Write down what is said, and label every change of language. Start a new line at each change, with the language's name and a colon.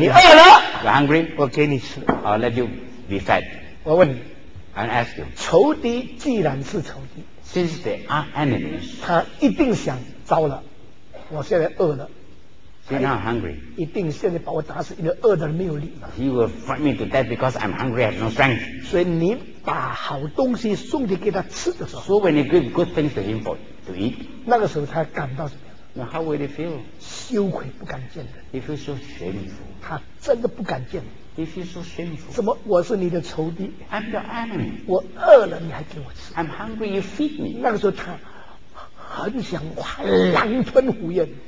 English: ？You hungry？
Chinese: 我给你吃。
English: I'll let you be fed。
Chinese: 我问你。
English: I ask you。
Chinese: 仇敌既然是仇敌
English: ，Since they are enemies，
Chinese: 他一定想，糟了，我现在饿了。
English: He's not hungry.
Chinese: 一定现在把我打死，因为饿得没有力。
English: He will fight me to death because I'm hungry. I have no strength.
Chinese: 所以你把好东西送给他吃的时候
English: ，So when you give good things to him for to eat，
Chinese: 那个时候他感到怎么样
English: ？Now how will he feel？
Chinese: 羞愧不敢见人。
English: He feels so shameful.
Chinese: 他真的不敢见人。
English: He feels so shameful.
Chinese: 怎么我是你的仇敌
English: ？I'm your enemy.
Chinese: 我饿了你还给我吃
English: ？I'm hungry. You feed me.
Chinese: 那个时候他很想狼吞虎咽。